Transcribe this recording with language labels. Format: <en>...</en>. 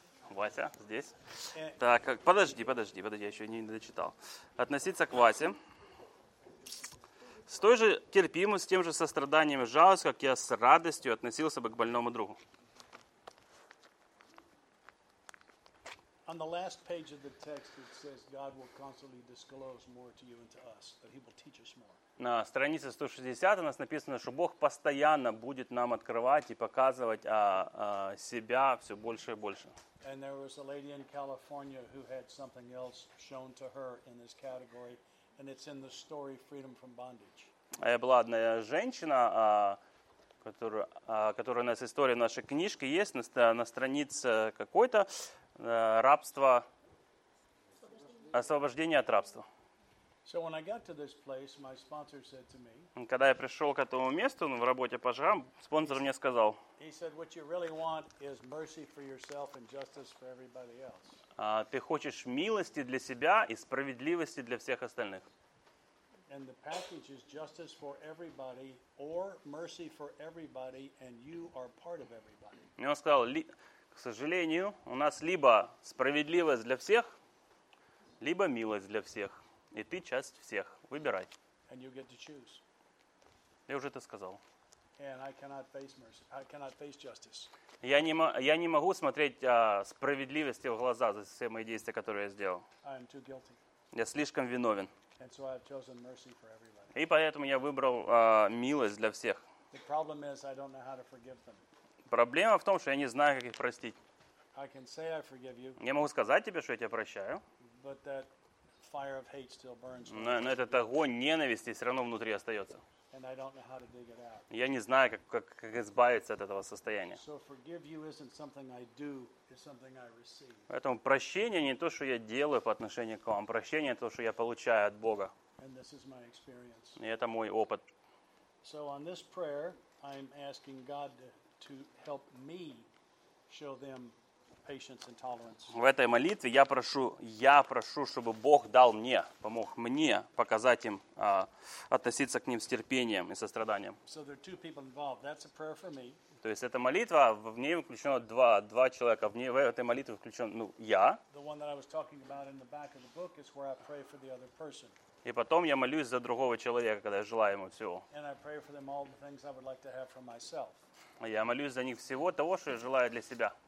<ru>Вася, здесь. Так, подожди, я еще не дочитал. Относиться к Васе. С той же терпимостью, с тем же состраданием и жалостью, как я с радостью относился бы к больному другу.</ru> <en>On the last page of the text it says God will constantly disclose more to you and to us that he will teach us more.</en> <ru>На странице 160 у нас написано, что Бог постоянно будет нам открывать и показывать себя все больше и больше.</ru> <en>And there was a lady in California who had something else shown to her in this category and it's in the story Freedom from Bondage.</en> <ru>А была одна женщина, которая у нас история в нашей книжке есть на странице какой-то. Рабство, освобождение от рабства.</ru> <en>So when I got to this place, my sponsor said to me,</en> <ru>когда я пришел к этому месту, в работе по шагам, спонсор мне сказал,</ru> <en>he said, what you really want is mercy for yourself and justice for everybody else.</en> <ru>Ты хочешь милости для себя и справедливости для всех остальных.</ru> <en>And the package is justice for everybody or mercy for everybody and you are part of everybody.</en> <ru>И он сказал, к сожалению, у нас либо справедливость для всех, либо милость для всех. И ты часть всех. Выбирай.</ru> <en>And you get to choose.</en> <ru>Я уже это сказал.</ru> <en>And I cannot face mercy. I cannot face justice.</en> <ru>Я не могу смотреть справедливости в глаза за все мои действия, которые я сделал.</ru> <en>I am too guilty.</en> <ru>Я слишком виновен.</ru> <en>And so I have chosen mercy for everybody.</en> <ru>И поэтому я выбрал милость для всех.</ru> <en>The problem is I don't know how to forgive them.</en> <ru>Проблема в том, что я не знаю, как их простить.</ru> <en>I can say I forgive you.</en> <ru>Я могу сказать тебе, что я тебя прощаю.</ru> <en>But that fire of hate still burns.</en> <ru>Но этот огонь ненависти все равно внутри остается.</ru> <en>And I don't know how to dig it out.</en> <ru>Я не знаю, как избавиться от этого состояния.</ru> <en>So forgive you isn't something I do, it's something I receive.</en> <ru>Поэтому прощение не то, что я делаю по отношению к вам. Прощение то, что я получаю от Бога.</ru> <en>And this is my experience.</en> <ru>И это мой опыт.</ru> <en>So on this prayer, I'm asking God to help me show them patience and tolerance.</en> <ru>В этой молитве я прошу, чтобы Бог дал мне, помог мне показать им относиться к ним с терпением и состраданием.</ru> <en>So there are two people involved. That's a prayer for me.</en> <ru>То есть эта молитва, в ней включено два человека. В этой молитве включен, я.</ru> <en>The one that I was talking about in the back of the book is where I pray for the other person.</en> <ru>И потом я молюсь за другого человека, когда я желаю ему всего.</ru> <en>And I pray for them all the things I would like to have for myself.</en> <ru>Я молюсь за них всего того, что я желаю для себя.</ru>